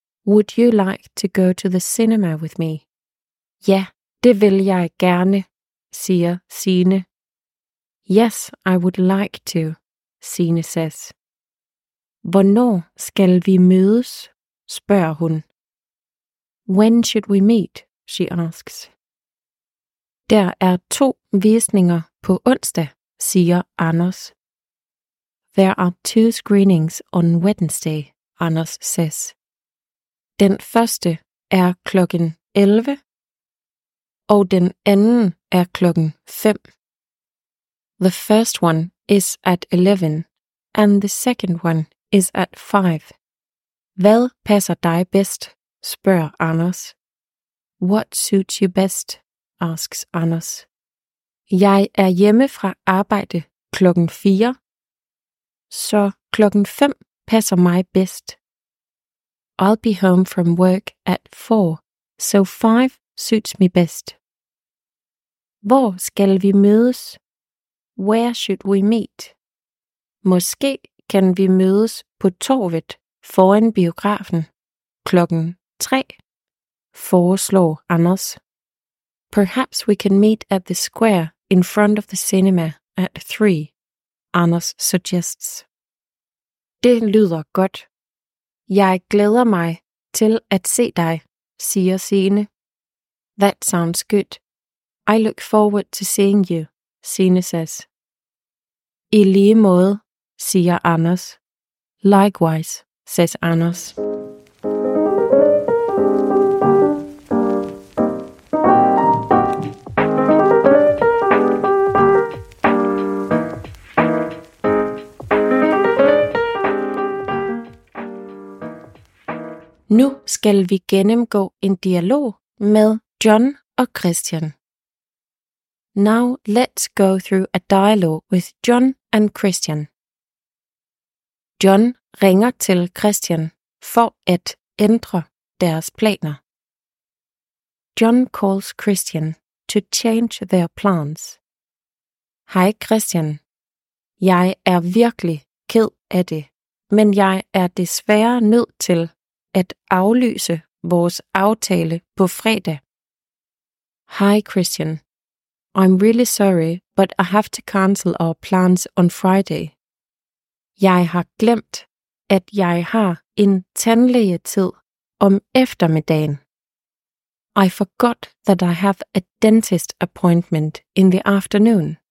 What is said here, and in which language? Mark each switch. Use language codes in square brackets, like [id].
[en] Would you like to go to the cinema with me? [da] Ja, det vil jeg gerne, siger Signe. [en] Yes, I would like to, Signe says. [da] Hvornår skal vi mødes, spørger hun. [en] When should we meet, she asks. [da] Der er to visninger på onsdag, siger Anders. [en] There are two screenings on Wednesday, Anders says. [da] Den første er klokken 11, og den anden er klokken 5. [en] The first one is at 11, and the second one is at 5. [da] Hvad passer dig bedst, spørger Anders. [en] What suits you best, asks Anders. [da] Jeg er hjemme fra arbejde klokken 4, så klokken 5 passer mig bedst. [en] I'll be home from work at 4, so 5 suits me best. [da] Hvor skal vi mødes? [en] Where should we meet? [da] Måske kan vi mødes på torvet foran biografen klokken 3, foreslår Anders. [en] Perhaps we can meet at the square in front of the cinema at 3, Anders suggests. [da] Det lyder godt. Jeg glæder mig til at se dig, siger Signe. [en] That sounds good. I look forward to seeing you, Signe says. [da] I lige måde, siger Anders. [en] Likewise, says Anders. [da] Nu skal vi gennemgå en dialog med John og Christian. [en] Now let's go through a dialogue with John and Christian. [da] John ringer til Christian for at ændre deres planer. [en] John calls Christian to change their plans. [da] Hej Christian. Jeg er virkelig ked af det, men jeg er desværre nødt til at aflyse vores aftale på fredag. [en] Hi Christian. I'm really sorry, but I have to cancel our plans on Friday. [da] Jeg har glemt, at jeg har en tandlægetid om eftermiddagen. [en] I forgot that I have a dentist appointment in the afternoon.